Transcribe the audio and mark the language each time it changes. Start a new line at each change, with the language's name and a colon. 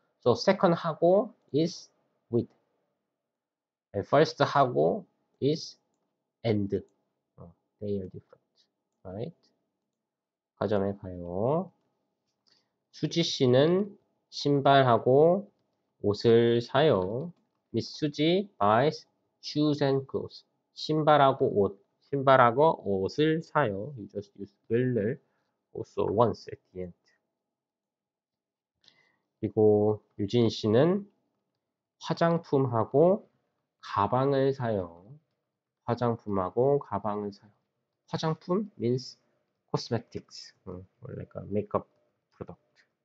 English: So second 하고 is with and first 하고 is and they are different, right?
Korean: 가정에 가요. 수지 씨는 신발하고 옷을 사요.
English: Miss 수지 buys shoes and clothes.
Korean: 신발하고 옷, 신발하고 옷을 사요.
English: You just use will을 also once at the end.
Korean: 그리고 유진 씨는 화장품하고 가방을 사요. 화장품하고 가방을 사요.
English: 화장품 means cosmetics.
Korean: 그러니까 메이크업 프로덕트.